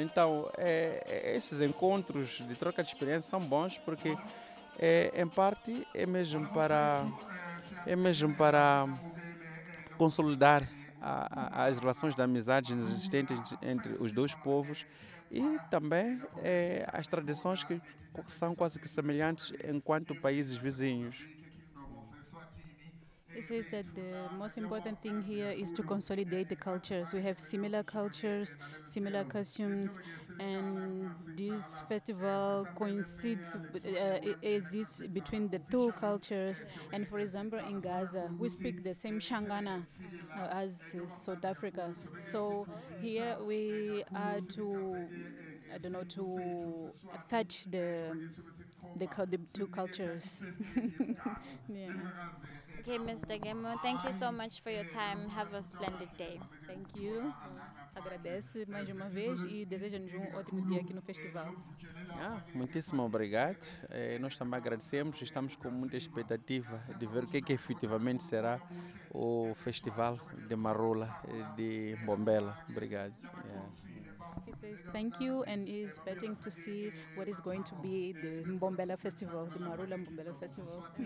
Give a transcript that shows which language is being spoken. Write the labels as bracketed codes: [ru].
[pt] Então, esses encontros de troca de experiências são bons porque, em parte, é mesmo para consolidar as relações de amizade existentes entre os dois povos e também as tradições que são quase que semelhantes enquanto países vizinhos. [en] He says that the most important thing here is to consolidate the cultures. We have similar cultures, similar costumes, and this festival coincides, exists between the two cultures. And for example, in Gaza, we speak the same Shangana as South Africa. So here we are to I don't know, to attach the two cultures. Yeah. Okay, Mr. Gemo, thank you so much for your time. Have a splendid day. Thank you. [pt] Agradeço mais uma vez e desejo-nos um ótimo dia aqui no festival. Ah, muitíssimo obrigado. Nós também agradecemos e estamos com muita expectativa de ver o que efetivamente será o festival de Marula de Mbombela. Obrigado. [en] He says thank you and is expecting to see what is going to be the Mbombela Festival, the Marula Mbombela Festival.